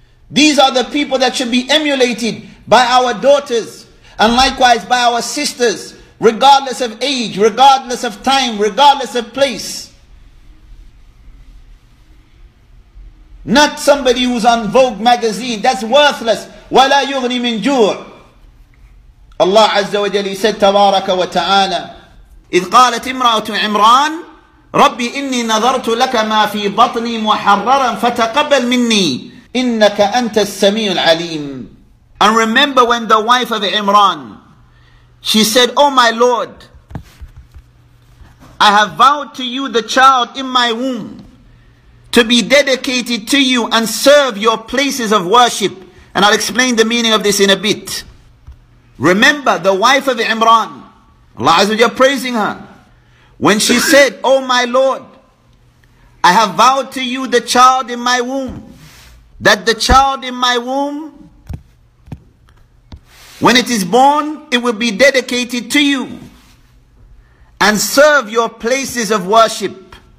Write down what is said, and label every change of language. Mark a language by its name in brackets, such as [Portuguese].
[English] These are the people that should be emulated by our daughters and likewise by our sisters, regardless of age, regardless of time, regardless of place. Not somebody who's on Vogue magazine, that's worthless. [Arabic] وَلَا يُغْنِي مِنْ جُوعٍ. [English] Allah Azza wa Jalla said, [Arabic] تَبَارَكَ وَتَعَالَى, إِذْ قَالَتْ إِمْرَأَةُ عِمْرَانَ رَبِّ إِنِّي نَظَرْتُ لَكَ مَا فِي بَطْنِي مُحَرَّرًا فَتَقَبَّلْ مِنِّي إِنَّكَ أَنْتَ السَّمِيعُ الْعَلِيمُ. [English] And remember when the wife of Imran, she said, Oh my Lord, I have vowed to you the child in my womb to be dedicated to you and serve your places of worship. And I'll explain the meaning of this in a bit. Remember the wife of Imran, Allah Azza wa Jalla praising her, when she said, Oh my Lord, I have vowed to you the child in my womb, that the child in my womb, when it is born, it will be dedicated to you and serve your places of worship.